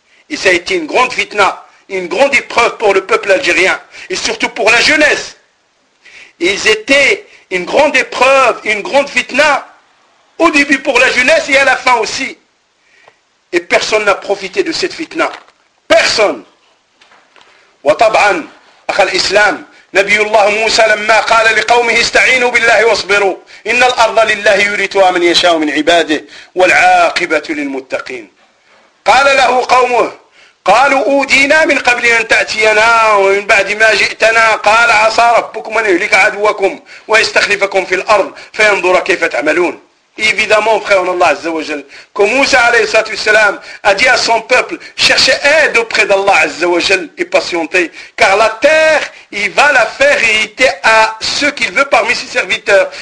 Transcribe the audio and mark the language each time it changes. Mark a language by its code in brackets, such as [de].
[fr] Et ça a été une grande fitna, une grande épreuve pour le peuple algérien, et surtout pour la jeunesse. Ils étaient une grande épreuve, une grande fitna, au début pour la jeunesse et à la fin aussi. Et personne n'a profité de cette fitna. Personne. [ar] Wa taban, akhal islam. نبي الله موسى لما قال لقومه استعينوا بالله واصبروا إن الأرض لله يورثها من يشاء من عباده والعاقبة للمتقين قال له قومه قالوا أودينا من قبل أن تأتينا ومن بعد ما جئتنا قال عسى ربكم أن يهلك عدوكم ويستخلفكم في الأرض فينظر كيف تعملون. [fr] Évidemment, frère en Allah Azza wa Jal, que Moussa alayhi salatu wasalam a dit à son peuple, cherchez aide auprès d'Allah Azza wa Jal et patientez, car la terre, il va la faire hériter à ceux qu'il veut parmi ses serviteurs.